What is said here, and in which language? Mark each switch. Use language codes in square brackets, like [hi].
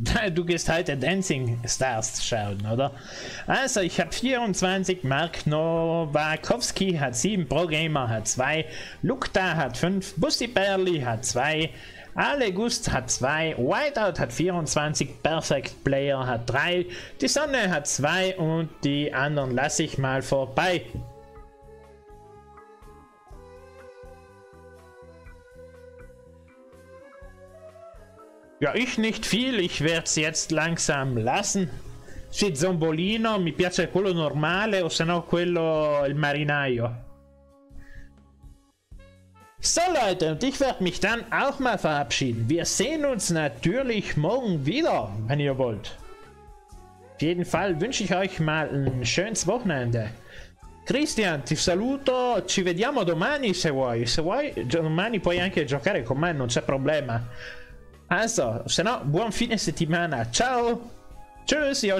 [de] Du gehst heute Dancing Stars schauen, oder? Also, ich habe 24, Mark Nowakowski hat 7, ProGamer hat 2, Lukta hat 5, Bussi Berli hat 2, Ale Gust hat 2, Whiteout hat 24, Perfect Player hat 3, die Sonne hat 2 und die anderen lasse ich mal vorbei. Ja, ich nicht viel, ich werde es jetzt langsam lassen. [it] Sì, Zombolino, mi piace quello normale, o sennò quello, il marinaio. [de] So Leute, und ich werde mich dann auch mal verabschieden. Wir sehen uns natürlich morgen wieder, wenn ihr wollt. Auf jeden Fall wünsche ich euch mal ein schönes Wochenende. [it] Christian, ti saluto, ci vediamo domani se vuoi. Se vuoi, domani puoi anche giocare con me, non c'è problema. Also, se no, buon fine settimana. Ciao. [de] Tschüss, [it] Yoshi.